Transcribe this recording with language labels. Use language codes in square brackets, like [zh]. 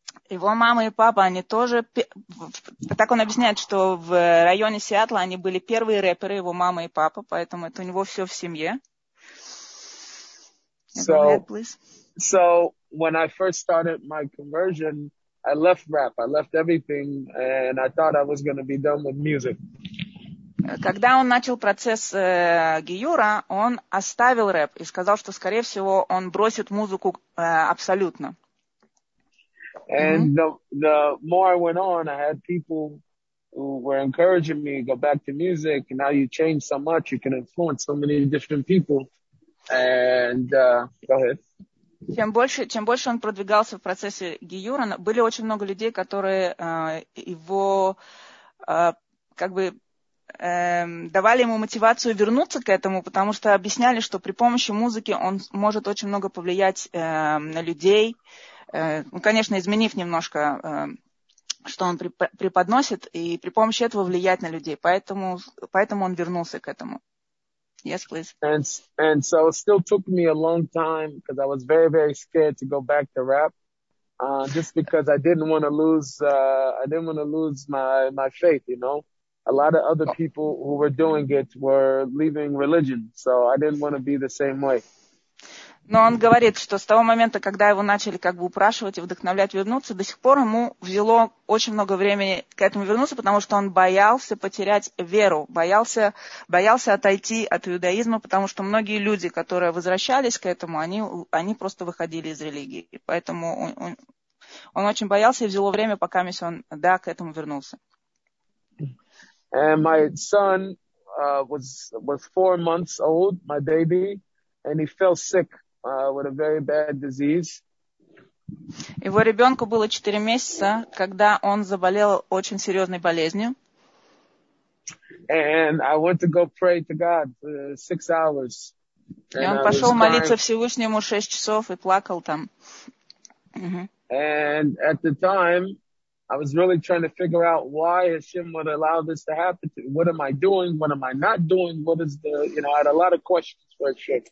[ru] Его мама и папа, они тоже, так он объясняет, что в районе Сиэтла они были первые рэперы, его мама и папа, поэтому это у него все в семье. [en] So, so when I first started my conversion, I left rap, I left everything, and I thought I was going to be done with music. [ru] Когда он начал процесс гиюра, он оставил рэп и сказал, что, скорее всего, он бросит музыку абсолютно. [en] And the more I went on, I had people who were encouraging me, go back to music, and now you change so much, you can influence so many different people. And, go ahead. [ru] Чем больше он продвигался в процессе гиюра, были очень много людей, которые его как бы давали ему мотивацию вернуться к этому, потому что объясняли, что при помощи музыки он может очень много повлиять на людей, ну, конечно, изменив немножко, что он преподносит, и при помощи этого влиять на людей. Поэтому он вернулся к этому. [en] Yes, please. And so it still took me a long time because I was very, very scared to go back to rap, just because I didn't want to lose my faith, you know. A lot of other people who were doing it were leaving religion, so I didn't want to be the same way. [ru] Но он говорит, что с того момента, когда его начали как бы упрашивать и вдохновлять вернуться, до сих пор ему взяло очень много времени к этому вернуться, потому что он боялся потерять веру, боялся отойти от иудаизма, потому что многие люди, которые возвращались к этому, они просто выходили из религии. И поэтому он очень боялся и взяло время, пока он да, к этому вернулся. [en] And my son was 4 months old, my baby, and he fell sick with a very bad disease. [ru] Его ребенку было 4 месяца, когда он заболел очень серьезной болезнью. [en] And I went to go pray to God for 6 hours. [ru] И он пошел молиться Всевышнему 6 часов и плакал там. [en] And at the time, I was really trying to figure out why Hashem would allow this to happen to me. What am I doing? What am I not doing? What is the, you know, I had a lot of questions for Hashem.